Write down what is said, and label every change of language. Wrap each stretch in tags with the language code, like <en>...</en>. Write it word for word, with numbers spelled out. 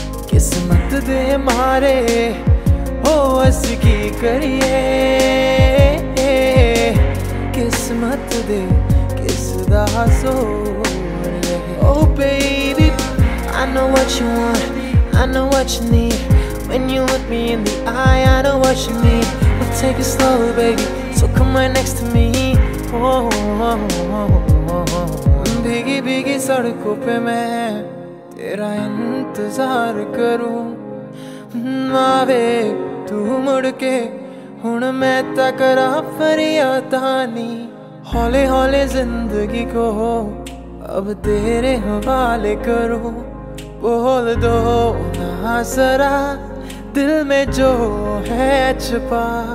<pa>किस्मत दे मारे हो अस की करिए, किस्मत दे किस दा जोर है।</pa> <en>Oh baby, I know what you want, I know what you need, when you look me in the eye I know what you mean. We'll take it slow baby, so come right next to me. Oh, oh, oh, oh, oh.</en> <hi>भीगी भीगी सड़कों पे मैं तेरा इंतजार करूं,</hi> <pa>आवे तू मुड़ के हुण मैं तकरा फरियादा नी।</pa> <hi>हौले हौले जिंदगी को अब तेरे हवाले करूं, बोल दो ना जरा दिल में जो है छुपा।</hi>